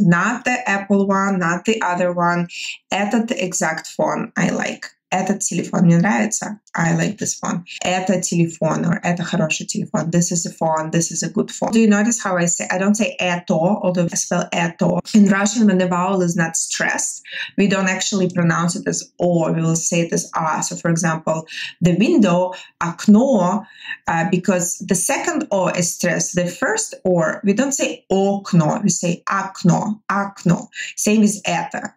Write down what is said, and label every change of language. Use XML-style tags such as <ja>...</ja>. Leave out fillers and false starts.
<en>Not the Apple one, not the other one.</en> <ru>Этот</ru> <en>exact phone I like.</en> <ru>Этот телефон мне нравится.</ru> <en>I like this phone.</en> <ru>Это телефон</ru> <en>or</en> <ru>это хороший телефон.</ru> <en>This is a phone. This is a good phone. Do you notice how I say? I don't say это, although I spell это. In Russian, when the vowel is not stressed, we don't actually pronounce it as о. We will say it as а. So, for example, the window, окно, because the second о is stressed. The first or we don't say окно. We say окно, окно. Same as это.</en>